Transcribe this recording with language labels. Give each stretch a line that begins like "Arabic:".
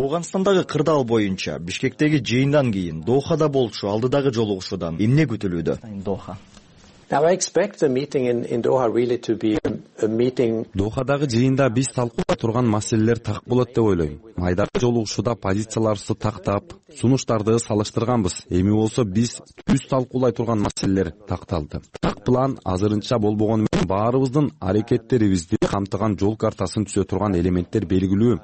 Kyrgyz: Ооганстандагы кырдаал боюнча Бишкектеги жыйындан кийин Дохада болчу алдыдагы жолугушуудан эмне күтүлүүдө?
English: Now I expect the meeting in Doha really to be a meeting.
Kyrgyz: Дохадагы жыйында биз талкууга турган маселелер так болот деп ойлойм. Майдагы жолугушууда позицияларды тактап, сунуштарды салыштырганбыз. Эми болсо биз түз талкуулай турган маселелер такталды. Так план азырынча болбогон менен баарыбыздын аракеттерибизди камтыган жол картасын түзө турган элементтер белгилүү.